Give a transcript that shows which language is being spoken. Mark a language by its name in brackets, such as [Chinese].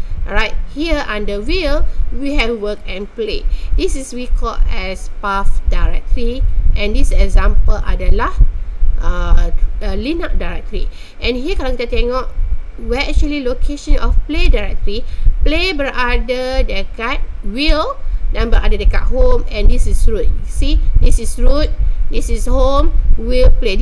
[English] Alright, here under wheel, we have work and play. This is we call as path directory. And this example adalah Linux directory. And here [Malay] kalau kita tengok, [English] where actually location of play directory. [Malay] Play berada dekat wheel dan berada dekat home. [English] And this is root. See, this is root, this is home, wheel, play.